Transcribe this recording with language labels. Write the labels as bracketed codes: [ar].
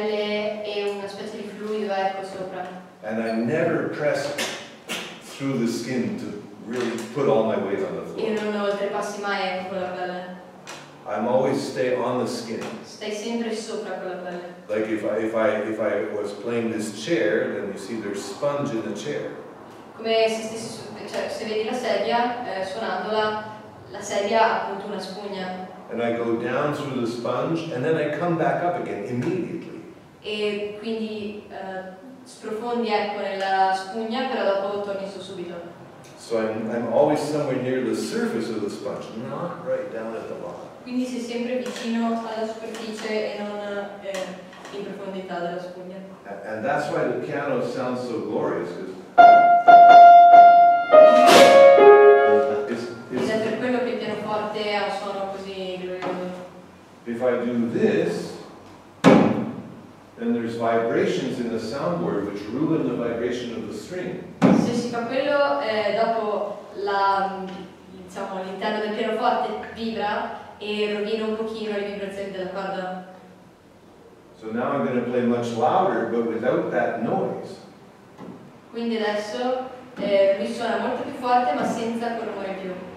[en] And I never press through the skin to really put all my weight on the floor. [it] Io non lo trepassi mai con quella palla. [en] I'm always stay on the skin. [it] Stai sempre sopra quella palla. [en] Like if I was playing this chair, then you see there's sponge in the chair. [it] Come se stessi, cioè, se vedi la sedia, suonandola, la sedia ha appunto una spugna. [en] And I go down through the sponge and then I come back up again immediately. [it] E quindi sprofondi ecco nella spugna, però dopo torni su subito. [en] So I'm always somewhere near the surface of the sponge, not right down at the bottom. [it] Quindi sei sempre vicino alla superficie e non in profondità della spugna. [en] And that's why the piano sounds so glorious. [it] Ed è per quello che il pianoforte ha un suono così glorioso. [en] If I do this, then there's vibrations in the soundboard which ruin the vibration of the string. [it] Se si fa quello, dopo la, diciamo, l'interno del pianoforte vibra e rovina un pochino le vibrazioni della corda. [en] So now I'm going to play much louder, but without that noise. [it] Quindi adesso mi suona molto più forte, ma senza quel rumore più.